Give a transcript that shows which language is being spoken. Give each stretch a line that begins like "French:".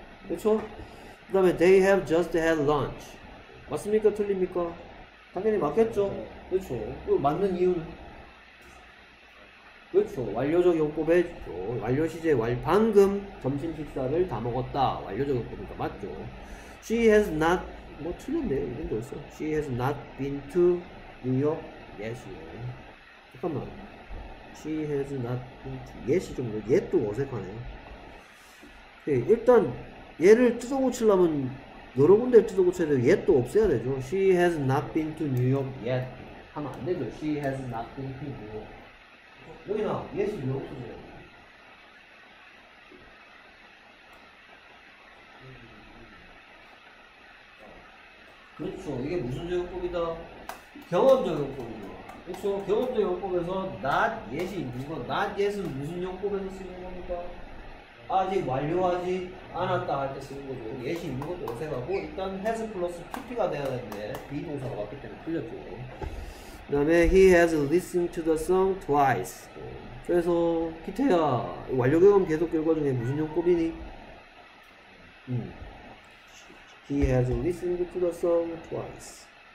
Korean: 그렇죠? 그 다음에
English: they have just had lunch.
Korean: 맞습니까? 틀립니까? 당연히 맞겠죠. 그렇죠. 그 맞는 이유는? 그렇죠. 완료적 용법에 있죠. 완료 시제 방금 점심 식사를 다 먹었다. 완료적 용법이니까 맞죠.
English: She has not
Korean: 뭐 틀렸네요. 이런 게 없어.
English: She has not been to New York yet.
Korean: 잠깐만.
English: She has not been to yet
Korean: 이 좀 yet도 어색하네. 네, 일단 얘를 뜯어고치려면 여러 군데 뜯어고쳐야 돼요. yet도 없애야 되죠.
English: She has not been to New York yet
Korean: 하면 안 되죠.
English: She has not been to New York.
Korean: 여기나 yet이 왜 없어져요? 그렇죠. 이게 무슨 용법이다? 경험적 용법이죠. 그렇죠. 경험적 용법에서 not yet이 있는 거. not yet은 무슨 용법에서 쓰는 겁니까? 아직 완료하지 않았다 할 때 쓰는 거죠. 예시 있는 것도 어색하고 일단 has 플러스 pp가 돼야 되는데 비동사가 왔기 때문에 틀렸죠. 그 다음에
English: he has listened to the song twice.
Korean: 그래서 기태야 완료 경험 계속 결과 중에 무슨 용법이니?
English: He has listened to the song twice.